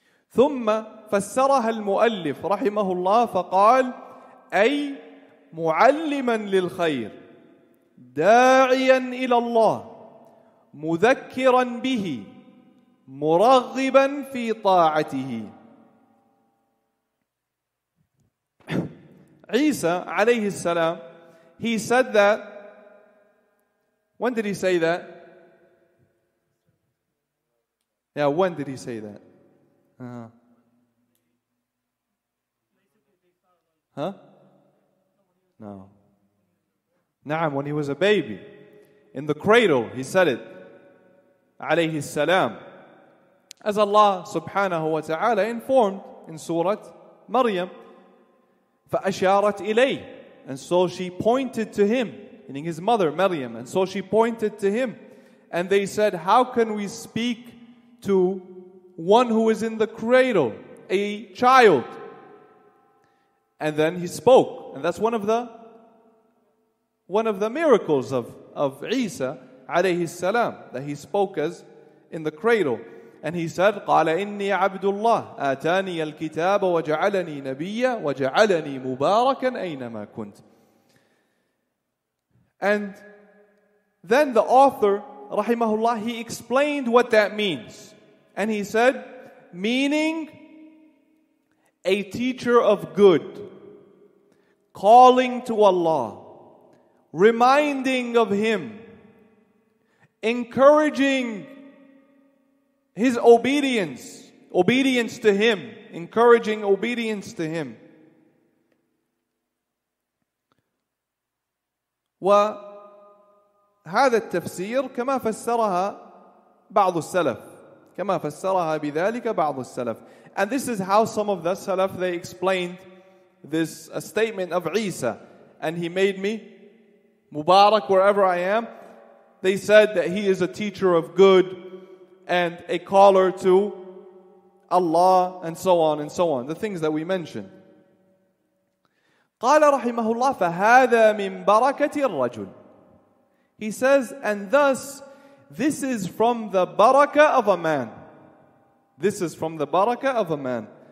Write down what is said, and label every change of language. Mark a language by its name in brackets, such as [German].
[Arabic] ثم فسرها المؤلف رحمه الله فقال أي معلما للخير داعيا إلى الله مذكرا به مرغبا في طاعته. عيسى عليه السلام, [English] he said that, when did he say that? Yeah, when did he say that? نعم, when he was a baby. In the cradle, he said it. [Arabic] عليه السلام. [English] As Allah subhanahu wa ta'ala informed in Surah Maryam. [Arabic] فأشارت إليه. [English] And so she pointed to him, meaning his mother, Maryam. And so she pointed to him. And they said, how can we speak to one who is in the cradle, a child? And then he spoke. And that's one of the miracles of Isa alayhi salam, that he spoke as in the cradle. And he said, [Arabic] قال إني عبد الله آتاني الكتاب وجعلني نبيا وجعلني مباركا أينما كنت. [English] And then the author rahimahullah, he explained what that means. And he said, meaning a teacher of good, calling to Allah, reminding of him, encouraging his obedience obedience to him, encouraging obedience to him. [Arabic] وهذا التفسير كما فسرها بعض السلف كما فسرها بذلك بعض السلف. [English] And this is how some of the Salaf, they explained this a statement of Isa. And he made me Mubarak wherever I am. They said that he is a teacher of good and a caller to Allah and so on and so on. The things that we mentioned. [Arabic] قال رحمه الله فهذا من بركة الرجل. [English] He says, and thus, this is from the baraka of a man. This is from the baraka of a man.